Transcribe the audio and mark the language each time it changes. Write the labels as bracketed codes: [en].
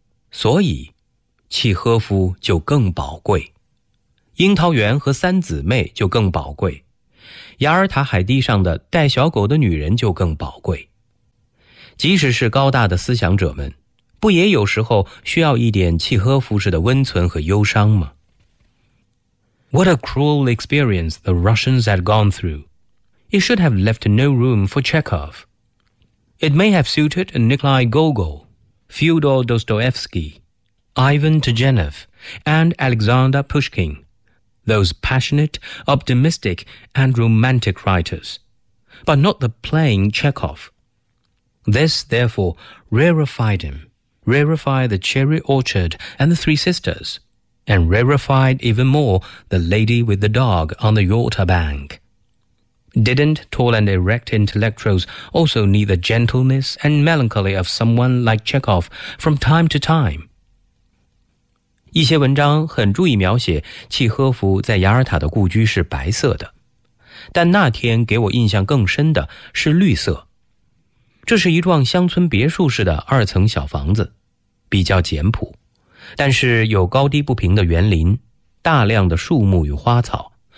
[zh] 所以契诃夫就更宝贵，樱桃园和三姊妹就更宝贵，雅尔塔海地上的带小狗的女人就更宝贵。即使是高大的思想者们，不也有时候需要一点契诃夫式的温存和忧伤吗？ [en] What a cruel experience the Russians had gone through. It should have left no room for Chekhov. It may have suited Nikolai Gogol,Fyodor Dostoevsky, Ivan Turgenev, and Alexander Pushkin, those passionate, optimistic, and romantic writers, but not the plain Chekhov. This, therefore, rarefied him, rarefied the cherry orchard and the three sisters, and rarefied even more the lady with the dog on the Yalta bank. Didn't tall and erect intellectuals also need the gentleness and melancholy of someone like Chekhov from time to time? [zh] 一些文章很注意描写契诃夫在雅尔塔的故居是白色的，但那天给我印象更深的是绿色。这是一幢乡村别墅式的二层小房子，比较简朴，但是有高低不平的园林，大量的树木与花草。